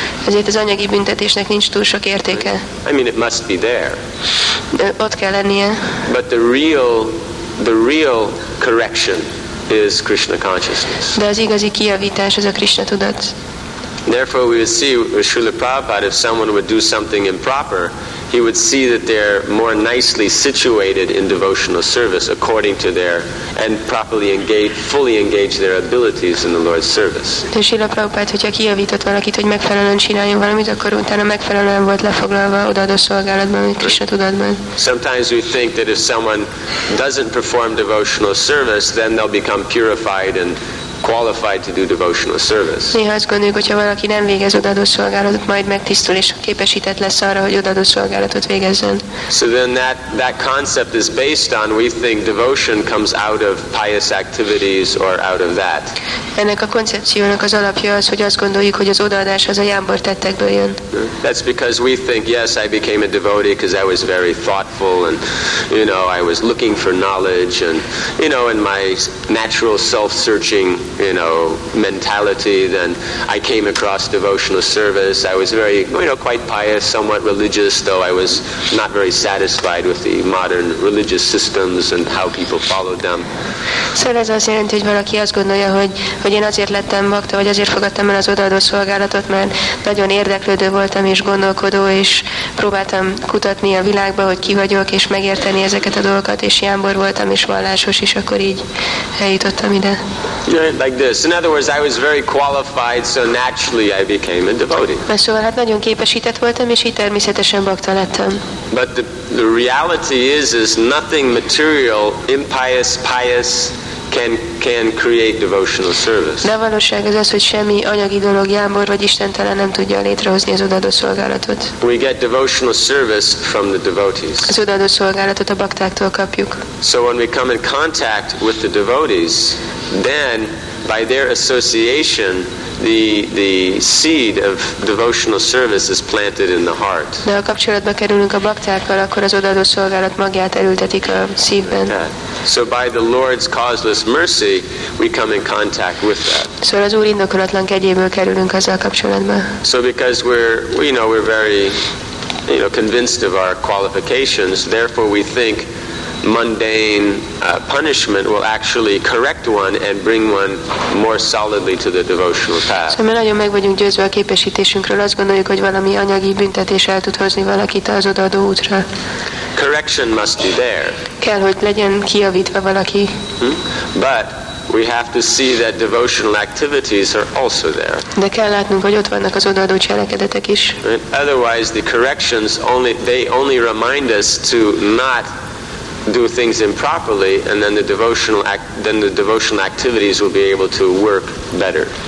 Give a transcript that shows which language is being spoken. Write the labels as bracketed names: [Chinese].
[Hungarian] Ezért az anyagi büntetésnek nincs túl sok értéke. [English] I mean it must be there. [Hungarian] De ott kell lennie. [English] But the real correction is Krishna consciousness. [Hungarian] De az igazi kijavítás az a Krishna tudat. [English] Therefore, we would see with Srila Prabhupada, if someone would do something improper, he would see that they're more nicely situated in devotional service according to their, and properly engaged, fully engaged their abilities in the Lord's service. [Hungarian] De Srila Prabhupada, hogyha kijavított valakit, hogy megfelelően csináljon valamit, akkor utána megfelelően volt lefoglalva odaadó szolgálatban, amit Krishna tudatban. [English] Sometimes we think that if someone doesn't perform devotional service, then they'll become purified and qualified to do devotional service. [Hungarian] Néha azt gondoljuk, hogyha valaki nem végez odaadó szolgálatot, majd megtisztul és képesített lesz arra, hogy odaadó szolgálatot végezzen. [English] So then that concept is based on, we think devotion comes out of pious activities or out of that. [Hungarian] Ennek a koncepciónak az alapja az, hogy azt gondoljuk, hogy az odaadás az a jámbor tettekből jön. [English] That's because we think, yes, I became a devotee because I was very thoughtful and, you know, I was looking for knowledge and, you know, in my natural self-searching, you know, mentality, then I came across devotional service. I was very, you know, quite pious, somewhat religious, though I was not very satisfied with the modern religious systems and how people followed them. [Hungarian] So ez azt jelenti, hogy valaki azt gondolja, hogy én azért lettem bakta, vagy azért fogadtam el az odaadó szolgálatot, mert nagyon érdeklődő voltam és gondolkodó, és próbáltam kutatni a világba, hogy ki vagyok, és megérteni ezeket a dolgokat, és jámbor voltam, és vallásos, és akkor így eljutottam ide. [English] Like this. In other words, I was very qualified, so naturally I became a devotee. [Hungarian] Szóval, hát nagyon képesített voltam, és így természetesen bakta lettem. [English] But the reality is nothing material, impious, pious, can create devotional service. [Hungarian] De a valóság az, hogy semmi anyagi dolog, jámbor vagy istentelen nem tudja létrehozni az odaadó szolgálatot. [English] We get devotional service from the devotees. [Hungarian] Az odaadó szolgálatot a baktáktól kapjuk. [English] So when we come in contact with the devotees, then by their association, the seed of devotional service is planted in the heart. [Hungarian] De ha kapcsolatba kerülünk a baktákkal, akkor az odaadó szolgálat magját elültetik a szívben. [English] So by the Lord's causeless mercy, we come in contact with that. [Hungarian] Szóval az Úr indokolatlan kegyéből kerülünk azzal kapcsolatba. [English] So because we're very, you know, convinced of our qualifications, therefore we think mundane punishment will actually correct one and bring one more solidly to the devotional path. [Hungarian] Szóval nagyon meg vagyunk győzve a képesítésünkről, azt gondoljuk, hogy valami anyagi büntetés el tud hozni valakit az odaadó útra. [English] Correction must be there. [Hungarian] Kell, hogy legyen kijavítva valaki. [English] But we have to see that devotional activities are also there. [Hungarian] De kell látnunk, hogy ott vannak az odaadó cselekedetek is. [English] Right? Otherwise the corrections only remind us to not do things improperly, and then the devotional activities will be able to work better.